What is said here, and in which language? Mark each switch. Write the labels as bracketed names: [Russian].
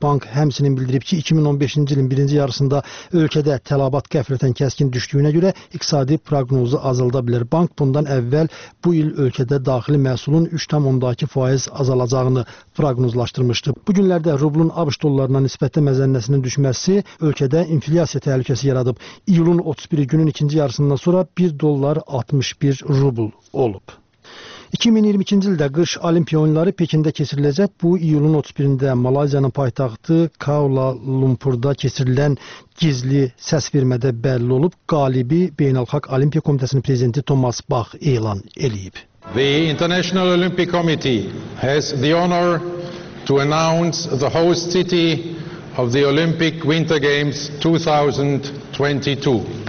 [Azerbaijani] Bank həmsinin bildirib ki, 2015-ci ilin birinci yarısında ölkədə tələbat qəflətən kəskin düşdüyünə görə iqtisadi proqnozu azalda bilər. Bank bundan əvvəl bu il ölkədə daxili məhsulun 3,2% azalacağını proqnozlaşdırmışdı. Bu günlərdə rublun ABŞ dollarına nisbətdə məzənnəsinin düşməsi ölkədə inflyasiya təhlükəsi yaradıb. İyulun 31-i günün ikinci yarısından sonra 1 dollar 61 rubl olub. 2022-ci ildə qış olimpiya oyunları Pekində keçiriləcək. Bu, iyulun 31-də Malayziyanın paytaxtı Kuala Lumpurda keçirilən gizli səs vermədə bəlli olub. Qalibi Beynəlxalq Olimpiya Komitəsinin prezidenti Thomas Bach elan eləyib. [English] The International Olympic Committee has the honor to announce the host city of the Olympic Winter Games 2022.